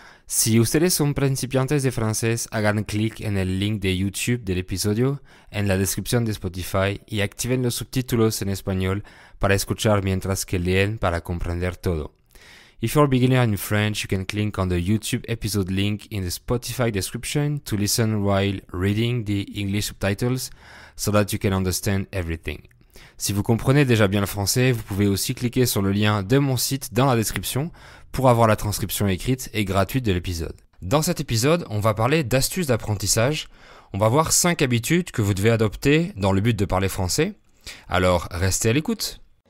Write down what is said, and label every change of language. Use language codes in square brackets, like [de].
[es] Si ustedes son principiantes de francés, hagan clic en el link de YouTube del episodio, en la descripción de Spotify y activen los subtítulos en español para escuchar mientras que leen para comprender todo. [en] If you're a beginner in French, you can click on the YouTube episode link in the Spotify description to listen while reading the English subtitles so that you can understand everything. [fr] Si vous comprenez déjà bien le français, vous pouvez aussi cliquer sur le lien de mon site dans la description pour avoir la transcription écrite et gratuite de l'épisode. Dans cet épisode, on va parler d'astuces d'apprentissage. On va voir 5 habitudes que vous devez adopter dans le but de parler français. Alors, restez à l'écoute.